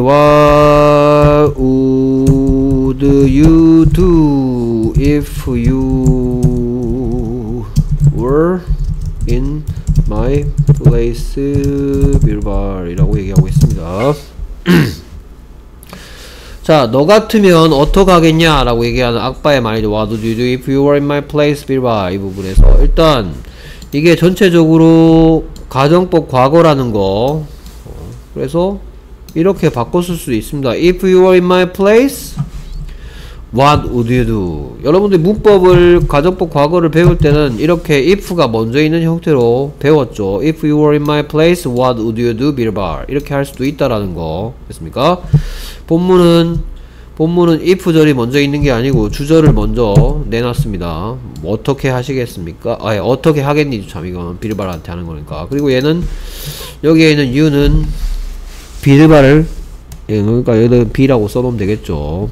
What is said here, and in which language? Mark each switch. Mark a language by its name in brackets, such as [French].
[English] What would you do if you were in My place, [Korean] 빌발이라고 얘기하고 있습니다. 자, 너 같으면 어떡하겠냐? 라고 얘기하는 악바의 말이죠. [English] What would you do if you were in my place, 빌발? [Korean] 이 부분에서. 일단, 이게 전체적으로 가정법 과거라는 거. 그래서, 이렇게 바꿨을 수 있습니다. [English] If you were in my place, What would you do? [Korean] 여러분들 문법을 가정법 과거를 배울 때는 이렇게 if가 먼저 있는 형태로 배웠죠. [English] If you were in my place, what would you do, 빌발? [Korean] 이렇게 할 수도 있다라는 거 됐습니까? 본문은 if절이 먼저 있는 게 아니고 주절을 먼저 내놨습니다. 어떻게 하시겠습니까? 아니, 어떻게 하겠니? 참 이건 빌발한테 하는 거니까. 그리고 얘는 여기에 있는 you는 빌발을 예, 그러니까 여기는 B라고 써놓으면 되겠죠.